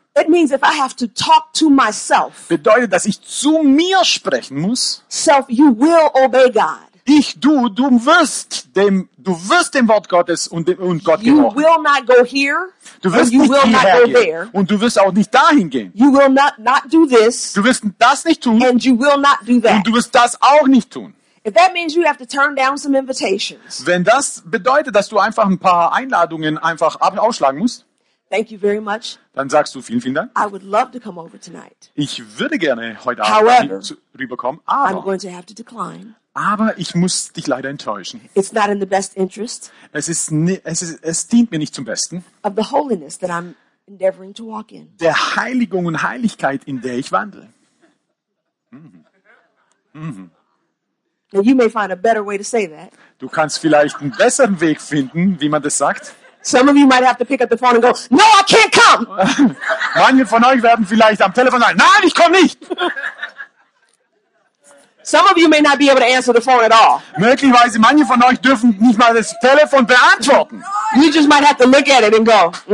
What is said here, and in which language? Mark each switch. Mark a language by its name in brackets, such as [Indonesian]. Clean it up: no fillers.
[English] That means if I have to talk to myself. [German] Bedeutet, dass ich zu mir sprechen muss. [English] Self, you will obey God. [German] Du wirst dem Wort Gottes und Gott gehorchen. [English] You will not go here. [German] Du wirst [English] you [German] nicht [English] will [German] hierher [English] not go There. [German] Und du wirst auch nicht dahin gehen. [English] You will not do this. [German] Du wirst das nicht tun. [English] And you will not do that. [German] Und du wirst das auch nicht tun. [English] If that means you have to turn down some invitations. [German] Wenn das bedeutet, dass du einfach ein paar Einladungen einfach ausschlagen musst. [English] Thank you very much. [German] Dann sagst du vielen, vielen Dank. [English] I would love to come over tonight. [German] Ich würde gerne heute [English] However, [German] Abend rüberkommen, aber [English] I'm going to have to decline. [German] Aber ich muss dich leider enttäuschen. [English] It's not in the best interest. [German] Es dient mir nicht zum Besten. [English] Of the holiness that I'm endeavoring to walk in. [German] Der Heiligung und Heiligkeit, in der ich wandle. [English] Now you may find a better way to say that. [German] Du kannst vielleicht einen besseren Weg finden, wie man das sagt. [English] Some of you might have to pick up the phone and go, "No, I can't come." [German] Manche von euch werden vielleicht am Telefon sagen, "Nein, ich komme nicht." [English] Some of you may not be able to answer the phone at all. [German] Möglicherweise manche von euch dürfen nicht mal das Telefon beantworten. [English] You just might have to look at it and go.